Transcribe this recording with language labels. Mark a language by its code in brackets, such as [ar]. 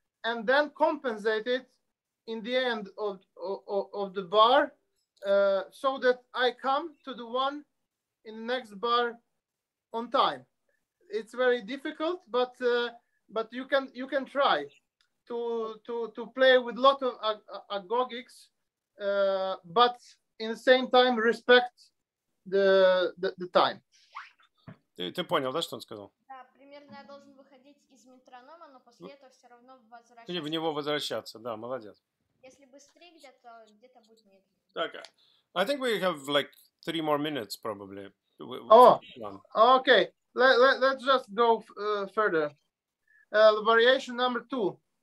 [en] And then compensate it in the end of the bar, so that I come to the one in the next bar on time. It's very difficult, but you can try to play with lot of agogics, but in the same time respect the time. [ru] Ты понял, да, что он сказал? Я должен выходить из метронома, но после этого все равно возвращаться. Или в него возвращаться, да, молодец. Если быстрее где-то, где-то будет медленнее. Так, okay. [en] I think we have like 3 more minutes probably. Okay, let's just go further. Variation number 2.